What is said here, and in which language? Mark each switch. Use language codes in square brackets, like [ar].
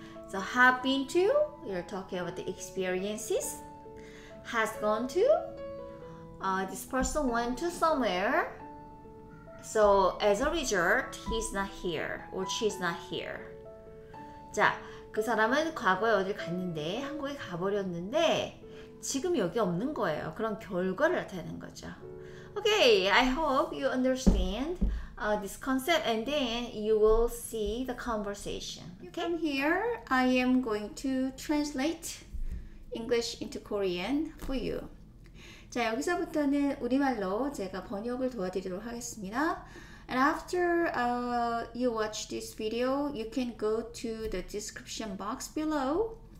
[en] So have been to, you're talking about the experiences. Has gone to, this person went to somewhere. So as a result, he's not here or she's not here. [ko] 자, 그 사람은 과거에 어딜 갔는데, 한국에 가버렸는데, 지금 여기 없는 거예요. 그런 결과를 나타내는 거죠. [en] Okay, I hope you understand this concept and then you will see the conversation. You come here, I am going to translate English into Korean for you. [ko] 자, 여기서부터는 우리말로 제가 번역을 도와드리도록 하겠습니다. [en] And after you watch this video, you can go to the description box below.